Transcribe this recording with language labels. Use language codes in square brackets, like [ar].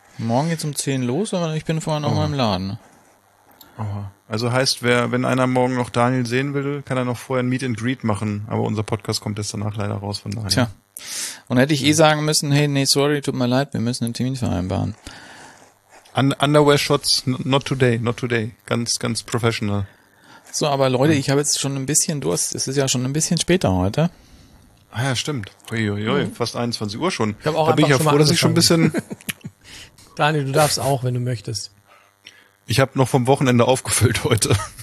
[de] Morgen geht's um 10 los, aber ich bin vorher noch mal im Laden. Aha. Also heißt, wenn einer morgen noch Daniel sehen will, kann er noch vorher ein Meet and Greet machen, aber unser Podcast kommt erst danach leider raus von daher. Tja. Und hätte ich eh sagen müssen, hey, nee, sorry, tut mir leid, wir müssen einen Termin vereinbaren. [en] Underwear-Shots, not today. [de] Ganz, ganz professional. So, aber Leute, ich habe jetzt schon ein bisschen Durst. Es ist ja schon ein bisschen später heute. Ah ja, stimmt. Uiuiui, fast 21 Uhr schon. Da bin ich ja froh, dass ich schon ein bisschen... Daniel, du darfst auch, wenn du möchtest. Ich habe noch vom Wochenende aufgefüllt heute.